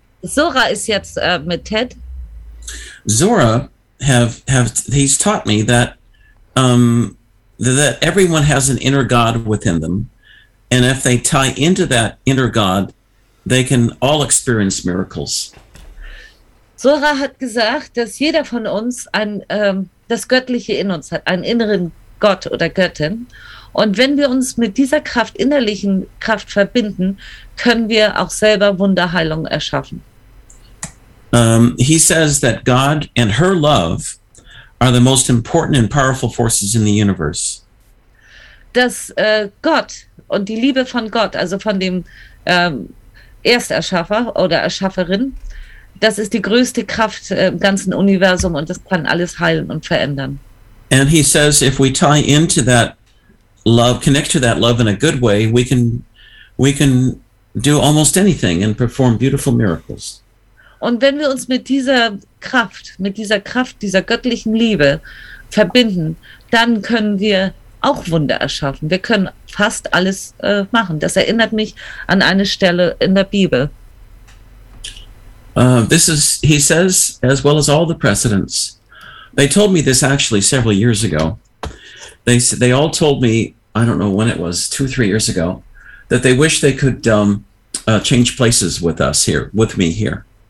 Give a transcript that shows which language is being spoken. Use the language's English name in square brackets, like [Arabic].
[German] Zora is jetzt mit Ted. [English] Zora, he's taught me that that everyone has an inner God within them. And if they tie into that inner God, they can all experience miracles. [German] Zora hat gesagt, dass jeder von uns das Göttliche in uns hat, einen inneren Gott oder Göttin. Und wenn wir uns mit dieser Kraft, innerlichen Kraft verbinden, können wir auch selber Wunderheilung erschaffen. [English] He says that God and her love are the most important and powerful forces in the universe. [German] Dass Gott und die Liebe von Gott, also von dem Ersterschaffer oder Erschafferin, das ist die größte Kraft im ganzen Universum und das kann alles heilen und verändern. [English] And he says, if we tie into that love, connect to that love in a good way, we can do almost anything and perform beautiful miracles. [German] Und wenn wir uns mit dieser Kraft dieser göttlichen Liebe verbinden, dann können wir auch Wunder erschaffen. Wir können fast alles machen. Das erinnert mich an eine Stelle in der Bibel. [English] He says, as well as all the precedents. They told me this actually several years ago. They all told me, I don't know when it was, 2-3 years ago, that they wish they could change places with us here, with me here.